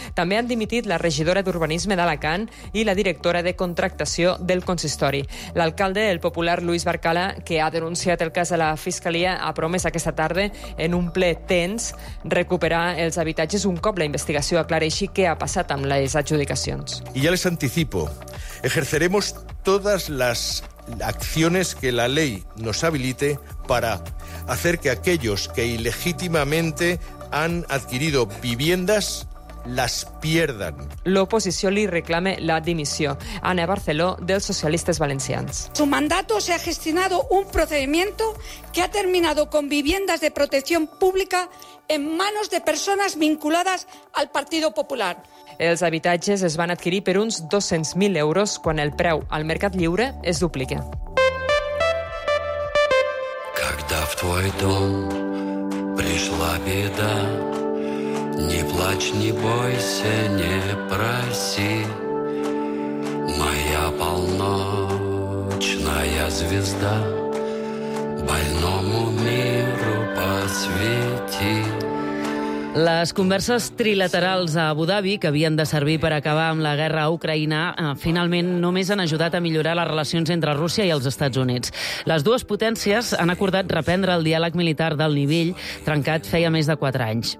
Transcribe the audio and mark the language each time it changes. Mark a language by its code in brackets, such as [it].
[ca] També han dimitit la regidora d'Urbanisme d'Alacant i la directora de Contractació del Consistori. L'alcalde, el popular Lluís Barcala, que ha denunciat el cas a la Fiscalia, ha promès aquesta tarda, en un ple tens, recuperar els habitatges un cop la investigació aclareixi què ha passat amb les adjudicacions. [es] Y ya les anticipo, ejerceremos todas las acciones que la ley nos habilite para hacer que aquellos que ilegítimamente han adquirido viviendas las pierdan. [ca] L'oposició li reclama la dimissió. Ana Barceló, dels socialistes valencians. [es] Su mandato se ha gestionado un procedimiento que ha terminado con viviendas de protección pública en manos de personas vinculadas al Partido Popular. [ca] Els habitatges es van adquirir per uns 200.000 euros quan el preu al mercat lliure es duplica. [ru] Когда в твой дом пришла беда, не плачь, не бойся, не проси. Моя полночная звезда больному миру посвети. [ca] Les converses trilaterals a Abu Dhabi, que havien de servir per acabar amb la guerra a Ucraïna, finalment només han ajudat a millorar les relacions entre Rússia i els Estats Units. Les dues potències han acordat reprendre el diàleg militar d'alt nivell, trencat feia més de 4 anys.